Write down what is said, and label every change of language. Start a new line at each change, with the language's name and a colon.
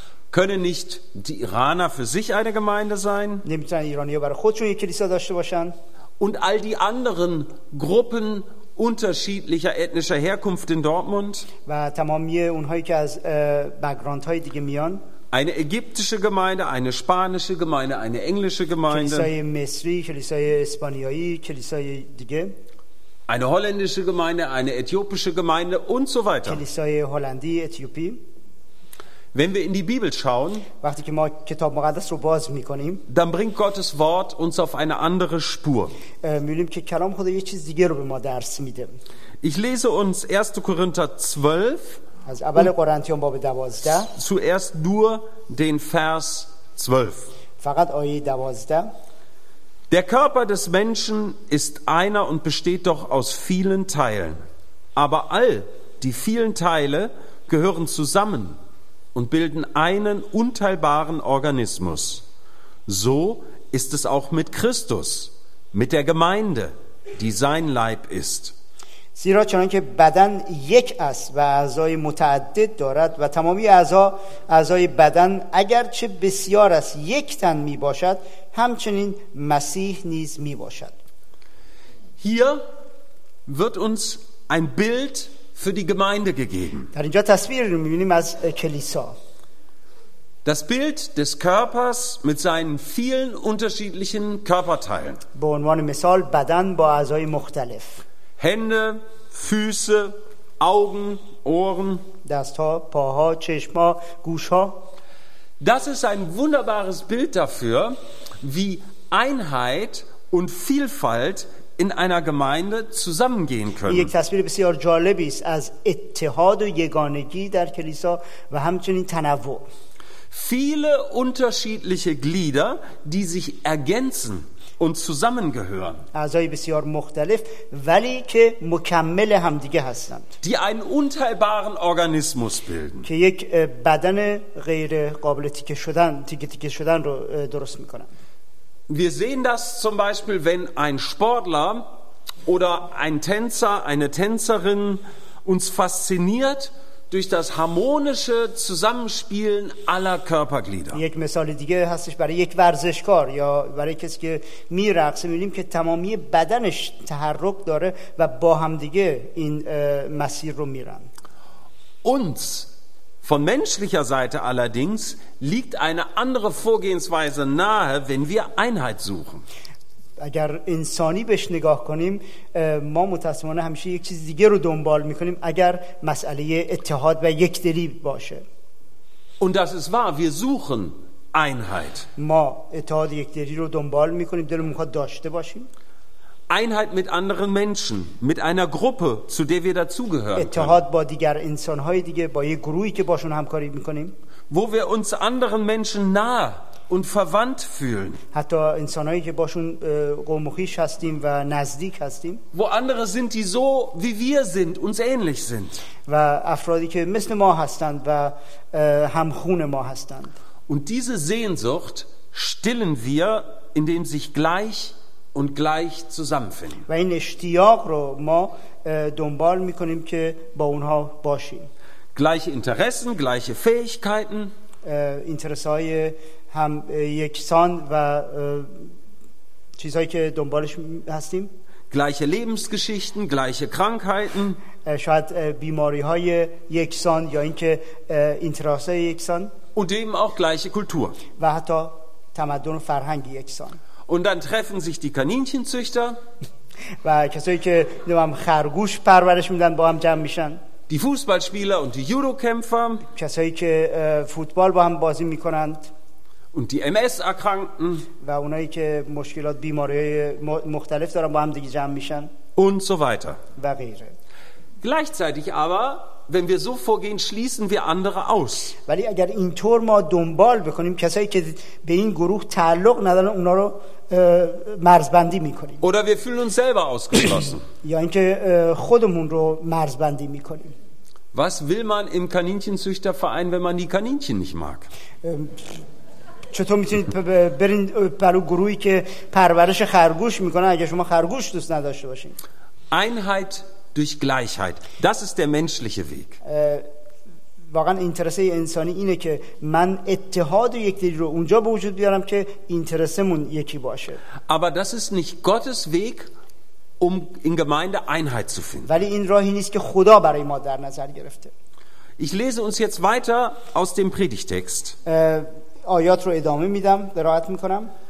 German: Können nicht die Iraner für sich eine Gemeinde sein?
Persian: نمیتونن ایرانی‌ها برای خودشون یک کلیسا داشته باشن؟
German: Und all die anderen Gruppen unterschiedlicher ethnischer Herkunft in Dortmund?
Persian: و تمامی اونهایی که از بک‌گراند‌های دیگه میان؟
German: Eine ägyptische Gemeinde, eine spanische Gemeinde, eine englische Gemeinde.
Persian: کلیسای مصری، کلیسای اسپانیایی، کلیسای دیگه.
German: Eine holländische Gemeinde, eine äthiopische Gemeinde und so weiter.
Persian: کلیسای هلندی، اتیوپی.
German: Wenn wir in die Bibel schauen,
Persian: وقتی که ما کتاب مقدس رو باز می‌کنیم,
German: dann bringt Gottes Wort uns auf eine andere Spur.
Persian: می‌بینیم که کلام خدا یه چیز دیگه رو به ما درس میده.
German: Ich lese uns 1. Korinther 12.
Persian: از اول قرنتیان باب 12.
German: Zuerst nur den Vers 12.
Persian: فقط آیه 12.
German: Der Körper des Menschen ist einer und besteht doch aus vielen Teilen. Aber all die vielen Teile gehören zusammen und bilden einen unteilbaren Organismus. So ist es auch mit Christus, mit der Gemeinde, die sein Leib ist.
Persian: زیرا چنان که بدن یک است و اعضای متعدد دارد و تمامی اعضای بدن اگرچه بسیار است یک تن می باشد همچنین مسیح نیز می باشد.
German: Hier wird uns ein Bild für die Gemeinde gegeben.
Persian: در اینجا تصویر رو می بینیم از کلیسا.
German: Das Bild des Körpers mit seinen vielen unterschiedlichen Körperteilen.
Persian: به عنوان مثال بدن با اعضای مختلف.
German: Hände, Füße, Augen, Ohren.
Persian: دست‌ها، پاها، چشما، گوش‌ها.
German: Das ist ein wunderbares Bild dafür, wie Einheit und Vielfalt in einer Gemeinde zusammengehen können.
Persian: یک تصویر بسیار جالبی است از اتحاد و یگانگی در کلیسا و همچنین تنوع.
German: Viele unterschiedliche Glieder, die sich ergänzen. Und zusammengehören.
Persian: اعضای بسیار مختلف ولی که مکمل همدیگه هستند.
German: Die einen unteilbaren Organismus bilden.
Persian: که یک بدن غیر قابل تیکه شدن رو درست میکنن.
German: Wir sehen das zum Beispiel, wenn ein Sportler oder ein Tänzer, eine Tänzerin uns fasziniert durch das harmonische Zusammenspielen aller Körperglieder.
Persian: یک مثال دیگه هستش برای یک ورزشکار یا برای کسی که میرقصه می‌بینیم که تمامی بدنش تحرک داره و با هم دیگه این مسیر رو میرن.
German: Uns von menschlicher Seite allerdings liegt eine andere Vorgehensweise nahe, wenn wir Einheit suchen.
Persian: اگر انسانی بهش نگاه کنیم ما متأسفانه همیشه یک چیز دیگه رو دنبال میکنیم اگر مسئله اتحاد و یکدلی باشه.
German: Und das ist wahr, wir suchen Einheit.
Persian: ما اتحاد یکدلی رو دنبال میکنیم دلمون میخواد داشته باشیم.
German: Einheit mit anderen Menschen, mit einer Gruppe, zu der wir dazugehören.
Persian: اتحاد با دیگر انسانهای دیگه با یک گروهی که باشون همکاری میکنیم.
German: Wo wir uns anderen Menschen nah und verwandt fühlen.
Persian: حتی انسانایی که باشون قومخیش هستیم و نزدیک هستیم.
German: Wo andere sind, die so wie wir sind, uns ähnlich sind.
Persian: و افرادی که مثل ما هستند و همخون ما هستند.
German: Und diese Sehnsucht stillen wir, indem sich gleich und gleich zusammenfinden.
Persian: و این اشتیاق رو ما دنبال میکنیم که با اونها باشیم.
German: Gleiche Interessen, gleiche Fähigkeiten.
Persian: اینترس‌های هم یکسان و چیزایی که دنبالش هستیم.
German: Gleiche Lebensgeschichten, gleiche Krankheiten.
Persian: شاید بیماری‌های یکسان یا اینکه اینترس‌های یکسان.
German: Und eben auch gleiche Kultur.
Persian: و حتی تمدن و فرهنگ یکسان.
German: Und dann treffen sich die Kaninchenzüchter.
Persian: و کسایی که نمیدونم خرگوش پرورش میدن با هم جمع میشن.
German: Die Fußballspieler und die Judokämpfer.
Persian: کسایی که فوتبال با هم بازی میکنند.
German: Und die MS-Erkrankten.
Persian: و اونایی که مشکلات بیماری مختلف دارن با هم دیگه جمع میشن.
German: Und so weiter.
Persian: و غیره.
German: Gleichzeitig aber, wenn wir so vorgehen, schließen wir andere aus.
Persian: ولی اگر اینطور ما دنبال بکنیم کسایی که به این گروه تعلق ندارن اونا رو مرزبندی میکنیم.
German: Oder wir fühlen uns selber ausgeschlossen.
Persian: یا اینکه خودمون رو مرزبندی میکنیم.
German: Was will man im Kaninchenzüchterverein, wenn man die Kaninchen nicht mag?
Persian: چطور میتونید برین برای گروهی که پرورش خرگوش میکنن اگر شما خرگوش دوست نداشته باشین؟
German: Einheit durch Gleichheit. Das ist der menschliche Weg.
Persian: واقعاً اینترسه انسانی اینه که من اتحاد و یکدلی رو اونجا به وجود بیارم که اینترسمون یکی باشه.
German: Aber das ist nicht Gottes Weg, um in Gemeinde Einheit zu finden.
Persian: ولی این راهی نیست که خدا برای ما در نظر گرفته.
German: Ich lese uns jetzt weiter aus dem Predigttext.
Persian: آیات رو ادامه میدم، قرائت میکنم.